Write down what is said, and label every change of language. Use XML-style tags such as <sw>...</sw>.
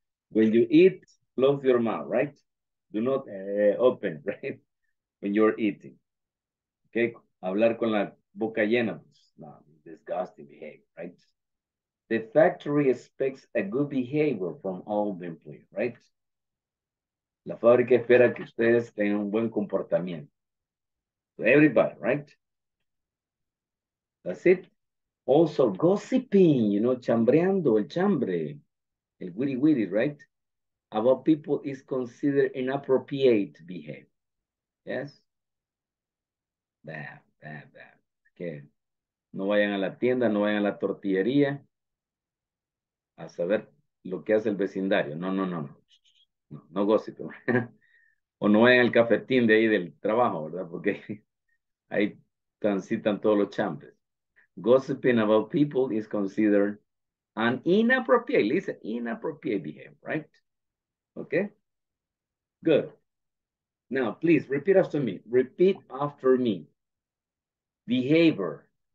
<en>When you eat, close your mouth, right? Do not open, right? When you're eating. Okay.</en> <es>Hablar con la boca llena. No,</es> <en>disgusting behavior, right? The factory expects a good behavior from all the employees, right?</en> <es>La fábrica espera que ustedes tengan un buen comportamiento.</es> <en>So everybody, right? That's it. Also, gossiping, you know,</en> <es>chambreando, el chambre,</es> <en>el witty witty, right? About people is considered inappropriate behavior. Yes? Bad, bad, bad. Okay.</en> <es>No vayan a la tienda, no vayan a la tortillería. A saber lo que hace el vecindario. No, no, no, no. No,</es> <en>no gossip.</en> <es>O no vayan al cafetín de ahí del trabajo, ¿verdad? Porque ahí transitan todos los chambres.</es> <en>Gossiping about people is considered an inappropriate, listen, inappropriate behavior, right? Okay? Good. Now, please, repeat after me. Repeat after me. Behavior.</en>